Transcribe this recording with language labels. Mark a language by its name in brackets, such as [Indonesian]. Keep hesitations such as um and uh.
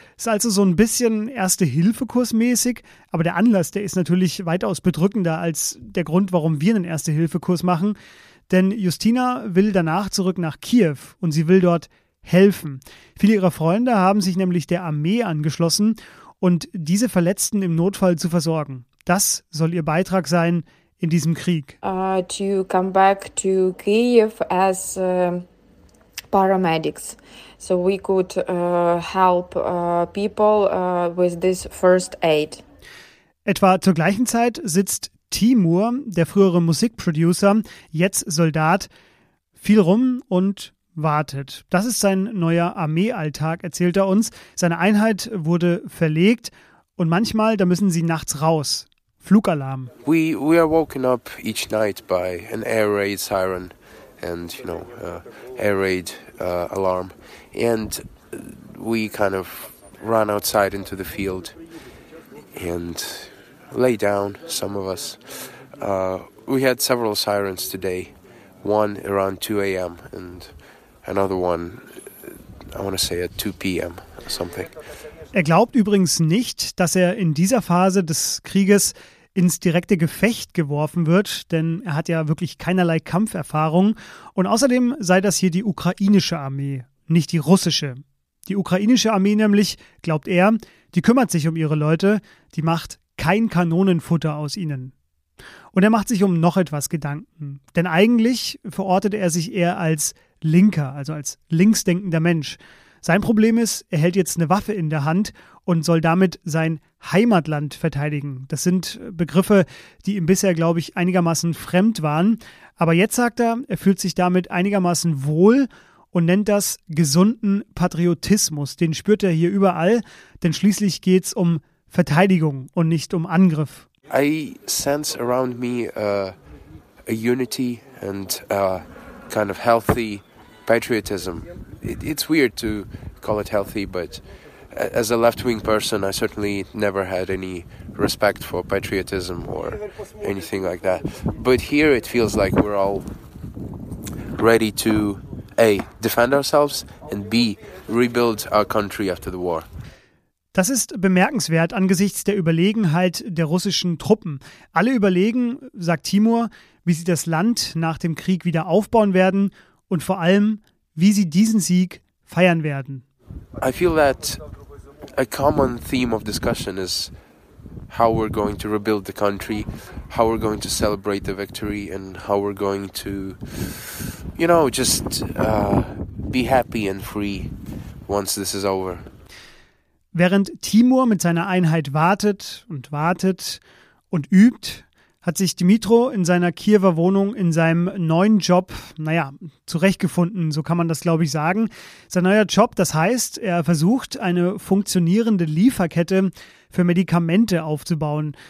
[German] Ist also so ein bisschen Erste-Hilfe-Kurs mäßig, aber der Anlass, der ist natürlich weitaus bedrückender als der Grund, warum wir einen Erste-Hilfe-Kurs machen. Denn Justina will danach zurück nach Kiew und sie will dort helfen. Viele ihrer Freunde haben sich nämlich der Armee angeschlossen und diese Verletzten im Notfall zu versorgen. Das soll ihr Beitrag sein in diesem Krieg. [English] uh, to come back to Kiev as uh, paramedics. So we could uh, help uh, people uh, with this first aid. [German] Etwa zur gleichen Zeit sitzt Timur, der frühere Musikproducer, jetzt Soldat, viel rum und wartet. Das ist sein neuer Armeealltag, erzählt er uns. Seine Einheit wurde verlegt und manchmal, da müssen sie nachts raus. Flugalarm. [English] We we are woken up each night by an air raid siren, and you know, uh, air raid uh, alarm, and we kind of run outside into the field and lay down. Some of us. Uh, we had several sirens today, one around 2 a.m. and another one, I want to say at 2 p.m. or something. [German] Er glaubt übrigens nicht, dass er in dieser Phase des Krieges ins direkte Gefecht geworfen wird, denn er hat ja wirklich keinerlei Kampferfahrung. Und außerdem sei das hier die ukrainische Armee, nicht die russische. Die ukrainische Armee nämlich, glaubt er, die kümmert sich um ihre Leute, die macht kein Kanonenfutter aus ihnen. Und er macht sich um noch etwas Gedanken. Denn eigentlich verortete er sich eher als Linker, also als linksdenkender Mensch. Sein Problem ist, er hält jetzt eine Waffe in der Hand und soll damit sein Heimatland verteidigen. Das sind Begriffe, die ihm bisher, glaube ich, einigermaßen fremd waren. Aber jetzt sagt er, er fühlt sich damit einigermaßen wohl und nennt das gesunden Patriotismus. Den spürt er hier überall, denn schließlich geht es um Verteidigung und nicht um Angriff. [English] I sense around me uh, a unity and a kind of healthy patriotism. It, it's weird to call it healthy, but as a left wing person, I certainly never had any respect for patriotism or anything like that. But here it feels like we're all ready to A, defend ourselves and B, rebuild our country after the war. [German] Das ist bemerkenswert angesichts der Überlegenheit der russischen Truppen. Alle überlegen, sagt Timur, wie sie das Land nach dem Krieg wieder aufbauen werden und vor allem, wie sie diesen Sieg feiern werden. [English] I feel that a common theme of discussion is how we're going to rebuild the country, how we're going to celebrate the victory, and how we're going to, you know, just uh, be happy and free once this is over. [German] Während Timur mit seiner Einheit wartet und wartet und übt, hat sich Dimitro in seiner Kiewer Wohnung in seinem neuen Job, naja, zurechtgefunden, so kann man das, glaube ich, sagen. Sein neuer Job, das heißt, er versucht, eine funktionierende Lieferkette für Medikamente aufzubauen.